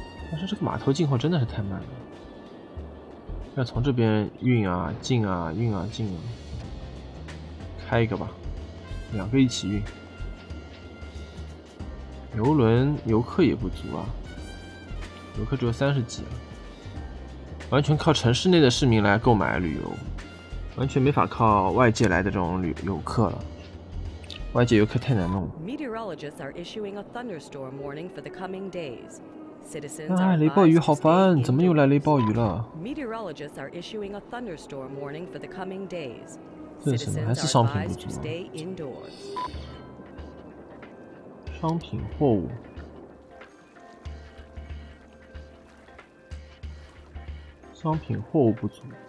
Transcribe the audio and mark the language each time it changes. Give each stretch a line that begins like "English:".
Chinese: 但是这个码头进货真的是太慢了，要从这边运啊进啊运啊进啊，开一个吧，两个一起运。游轮游客也不足啊，游客只有三十几啊，完全靠城市内的市民来购买旅游，完全没法靠外界来的这种游客了。外界游客太难弄了。
English: Meteorologists are issuing a thunderstorm warning for the coming days. Citizens are advised.
Chinese: 雷暴雨好烦，怎么又来雷暴雨了
English: ？Meteorologists are issuing a thunderstorm warning for the coming days.
Chinese: 这是什么？还是商品不足？商品货物。商品货物不足。